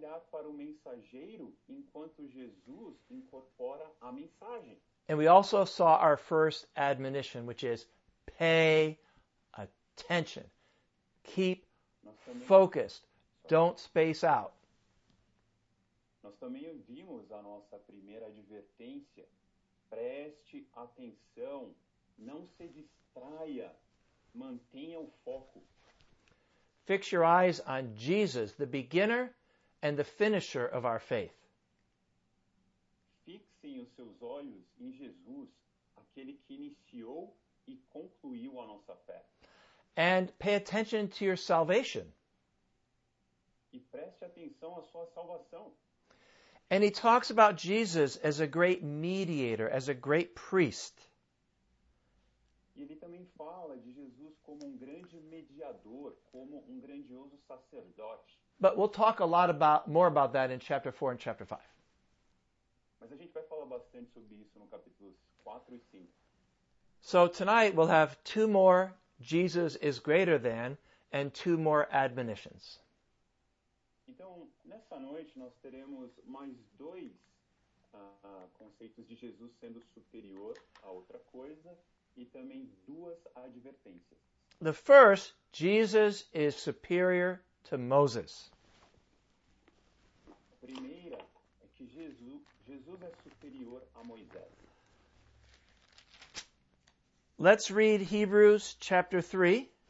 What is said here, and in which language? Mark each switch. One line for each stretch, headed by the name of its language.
Portuguese: Para o mensageiro enquanto Jesus incorpora a mensagem.
English: And we also saw our first admonition, which is pay attention. Keep focused. Don't space out.
Portuguese: Nós também vimos a nossa primeira advertência. Preste atenção. Não se distraia. Mantenha o foco.
English: Fix your eyes on Jesus, the beginner and the finisher of our faith.
Portuguese: Fixem os seus olhos em Jesus, aquele que iniciou e concluiu a nossa fé.
English: And pay attention to your salvation.
Portuguese: E preste atenção à sua salvação.
English: And he talks about Jesus as a great mediator, as a great priest.
Portuguese: E ele também fala de Jesus como grande mediador, como grandioso sacerdote.
English: But we'll talk more about that in chapter 4 and chapter 5.
Portuguese: Mas a gente vai falar bastante sobre isso no capítulos 4 e 5.
English: So tonight we'll have two more Jesus is greater than and two more admonitions.
Portuguese: Então, nessa noite nós teremos mais dois conceitos de Jesus sendo superior a outra coisa e também duas advertências.
English: The first, Jesus is superior to Moses.
Portuguese: Primeira é que Jesus é superior a Moisés.
English: Let's read Hebrews chapter 3.